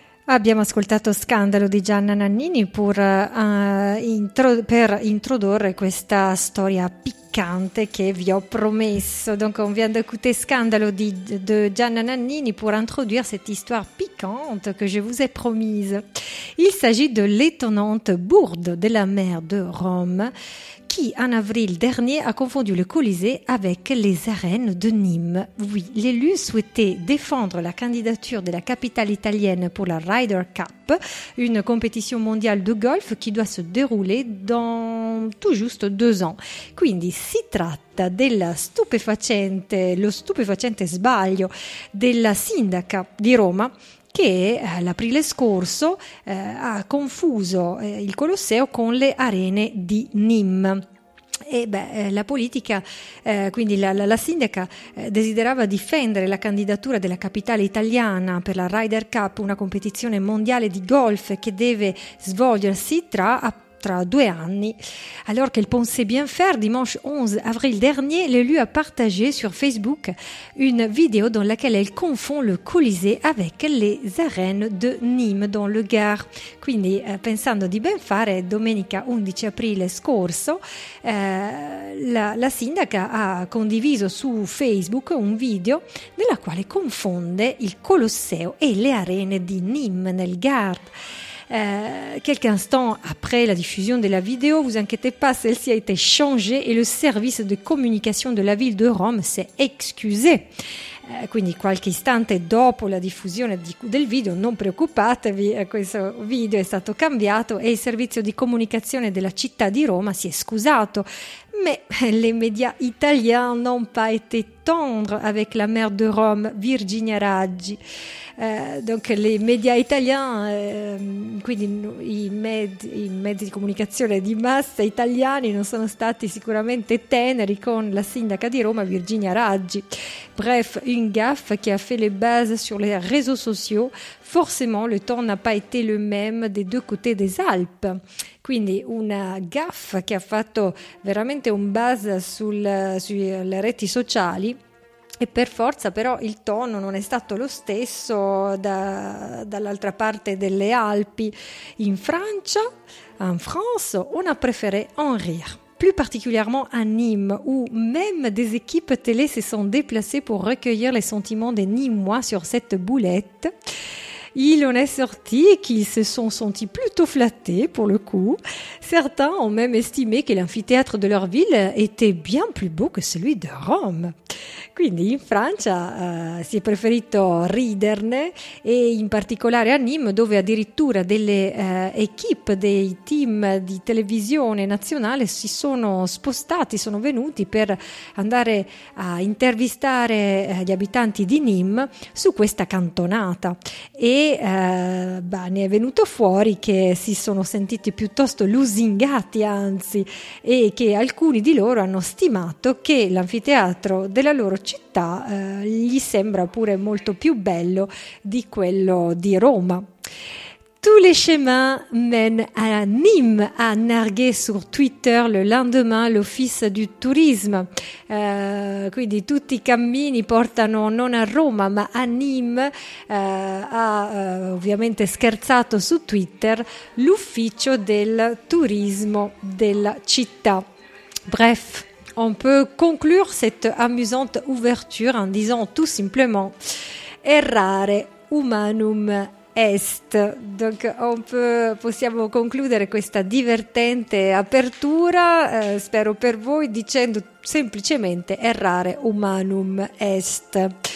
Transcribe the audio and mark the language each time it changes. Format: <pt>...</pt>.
<it>Abbiamo ascoltato Scandalo di Gianna Nannini per introdurre questa storia piccante che vi ho promesso.</it> <fr>Donc on vient d'écouter Scandalo di Gianna Nannini pour introduire cette histoire piquante que je vous ai promise. Il s'agit de l'étonnante bourde de la mer de Rome qui, en avril dernier, a confondu le Colisée avec les arènes de Nîmes. Oui, l'élu souhaitait défendre la candidature de la capitale italienne pour la Ryder Cup, une compétition mondiale de golf qui doit se dérouler dans tout juste 2 ans.</fr> <it>Quindi, si tratta lo stupefacente sbaglio della sindaca di Roma, che l'aprile scorso ha confuso il Colosseo con le arene di Nîmes. E beh, la politica, quindi la sindaca desiderava difendere la candidatura della capitale italiana per la Ryder Cup, una competizione mondiale di golf che deve svolgersi tra 2 anni.</it> <fr>Alors qu'elle pensait bien faire, dimanche 11 avril dernier, l'élu a partagé sur Facebook une vidéo dans laquelle elle confond le Colisée avec les arènes de Nîmes dans le Gard.</fr> <it>Quindi, pensando di ben fare, domenica 11 aprile scorso, la sindaca ha condiviso su Facebook un video nella quale confonde il Colosseo e le arene di Nîmes nel Gard.</it> <fr>Quelques instants après la diffusion de la vidéo, vous inquiétez pas, celle-ci a été changée et le service de communication de la ville de Rome s'est excusé.</fr> <it>Quindi qualche istante dopo la diffusione del video, non preoccupatevi, questo video è stato cambiato e il servizio di comunicazione della città di Roma si è scusato.</it> <fr>Ma les médias italiens n'ont pas été tendres avec la maire de Rome, Virginia Raggi. Donc les médias italiens,</fr> <it>quindi i mezzi di comunicazione di massa italiani non sono stati sicuramente teneri con la sindaca di Roma, Virginia Raggi.</it> <fr>Bref, une gaffe qui a fait les bases sur les réseaux sociaux. Forcément, le ton n'a pas été le même des deux côtés des Alpes.</fr> <it>Quindi una gaffe che ha fatto veramente un buzz sulle reti sociali e per forza però il tono non è stato lo stesso dall'altra parte delle Alpi. In Francia,</it> <fr>en France, on a préféré en rire. Plus particulièrement à Nîmes, où même des équipes télé se sont déplacées pour recueillir les sentiments des Nîmois sur cette boulette. Il en est sorti qu'ils se sont sentis plutôt flattés, pour le coup. Certains ont même estimé que l'amphithéâtre de leur ville était bien plus beau que celui de Rome.</fr> <it>Quindi in Francia si è preferito riderne, e in particolare a Nîmes, dove addirittura delle équipes, dei team di televisione nazionale si sono spostati, sono venuti per andare a intervistare gli abitanti di Nîmes su questa cantonata. Ne è venuto fuori che si sono sentiti piuttosto lusingati, anzi, e che alcuni di loro hanno stimato che l'anfiteatro della loro città gli sembra pure molto più bello di quello di Roma.</it> <fr>Tous les chemins mènent à Nîmes, a nargué sur Twitter le lendemain l'Office du Tourisme.</fr> <it>Quindi tutti i cammini portano non a Roma ma a Nîmes, ovviamente scherzato su Twitter l'ufficio del turismo della città.</it> <fr>Bref, on peut conclure cette amusante ouverture en disant tout simplement «</fr> <la>Errare humanum est ».</la> <it>Donc possiamo concludere questa divertente apertura, spero per voi, dicendo semplicemente «</it> <la>Errare humanum est ».</la>